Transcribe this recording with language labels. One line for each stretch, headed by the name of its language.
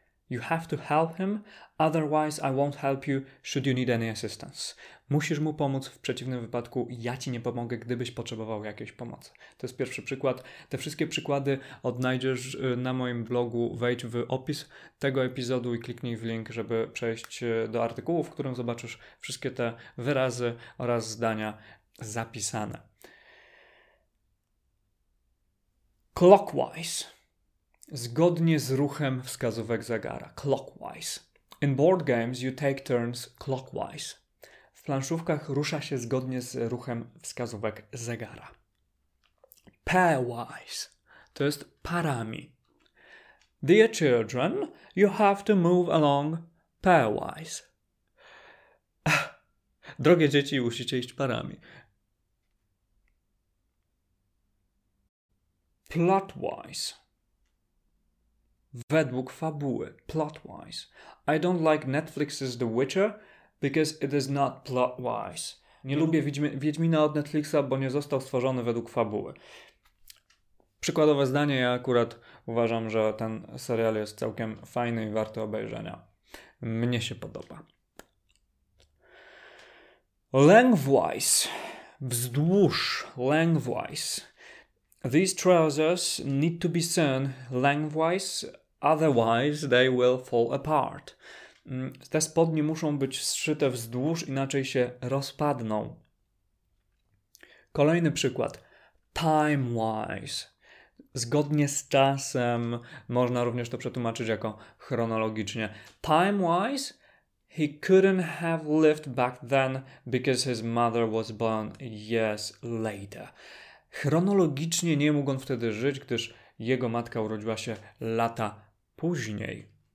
English: You have to help him, otherwise I won't help you, should you need any assistance.
Polish: Musisz mu pomóc, w przeciwnym wypadku ja ci nie pomogę, gdybyś potrzebował jakiejś pomocy. To jest pierwszy przykład. Te wszystkie przykłady odnajdziesz na moim blogu. Wejdź w opis tego epizodu i kliknij w link, żeby przejść do artykułu, w którym zobaczysz wszystkie te wyrazy oraz zdania zapisane. Clockwise. Zgodnie z ruchem wskazówek zegara.
English: Clockwise. In board games you take turns clockwise.
Polish: W planszówkach rusza się zgodnie z ruchem wskazówek zegara. Pairwise. To jest parami.
English: Dear children, you have to move along pairwise.
Polish: Drogie dzieci, musicie iść parami. Plotwise. Według fabuły, plotwise.
English: I don't like Netflix's The Witcher because it is not plotwise.
Polish: Nie lubię Wiedźmina od Netflixa, bo nie został stworzony według fabuły. Przykładowe zdanie, ja akurat uważam, że ten serial jest całkiem fajny i warty obejrzenia. Mnie się podoba. Lengthwise. Wzdłuż. Lengthwise.
English: These trousers need to be seen lengthwise, otherwise they will fall apart.
Polish: Te spodnie muszą być zszyte wzdłuż, inaczej się rozpadną. Kolejny przykład. Timewise. Zgodnie z czasem, można również to przetłumaczyć jako chronologicznie.
English: Timewise, he couldn't have lived back then because his mother was born years later.
Polish: Chronologicznie nie mógł on wtedy żyć, gdyż jego matka urodziła się lata później.